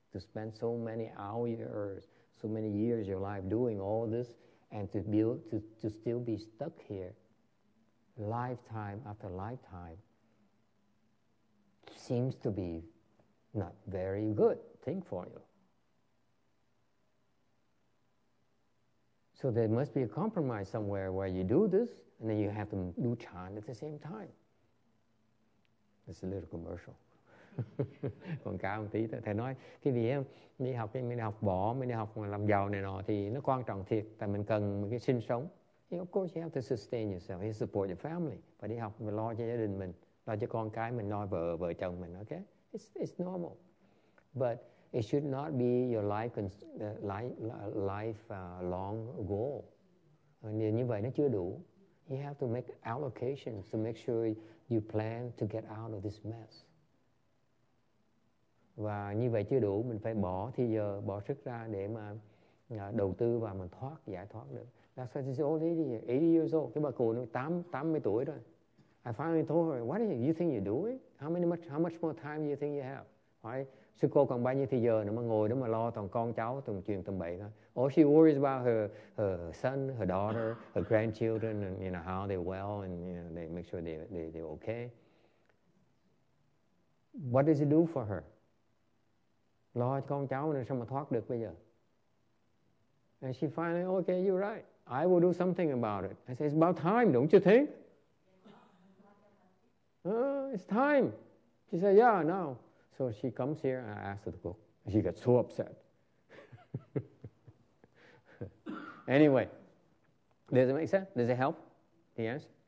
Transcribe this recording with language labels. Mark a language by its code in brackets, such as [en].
[en] to spend so many hours, so many years of your life doing all this, and to build, to still be stuck here, lifetime after lifetime, seems to be not very good thing for you. So there must be a compromise somewhere where you do this, and then you have to do chan at the same time. It's a little commercial. [vi] Còn cao một tí thôi. Thầy nói cái gì em đi học, mình đi học bỏ, mình đi học làm giàu này nọ thì nó quan trọng thiệt, tại mình cần một cái sinh sống. [en] Of course you have to sustain yourself, you support your family. [vi] Và đi học mình lo cho gia đình mình, lo cho con cái mình, lo vợ, vợ chồng mình, okay? [en] It's normal. But it should not be your life long goal. [vi] Như vậy nó chưa đủ. [en] You have to make allocations to make sure you plan to get out of this mess. [vi] Và như vậy chưa đủ, mình phải bỏ thì giờ, bỏ sức ra để mà đầu tư và mình thoát, giải thoát được. [en] That's why this old lady, 80 years old, [vi] cái bà cụ nó 80 tuổi rồi. [en] I finally told her, what do you think you're doing? How much more time do you think you have? Why? [vi] Sư cô còn bao nhiêu thời giờ nữa mà ngồi đó mà lo toàn con cháu, toàn chuyện tầm bậy thôi. [en] All she worries about her son, her daughter, her grandchildren, and you know, how they're well, and you know, they make sure they're okay. What does it do for her? [vi] Lo cho con cháu nên sao mà thoát được bây giờ? [en] And she finally, okay, you're right. I will do something about it. I say, it's about time, don't you think? It's time. She said, yeah, now. So she comes here and I ask her to cook. She gets so upset. Anyway, does it make sense? Does it help? The answer?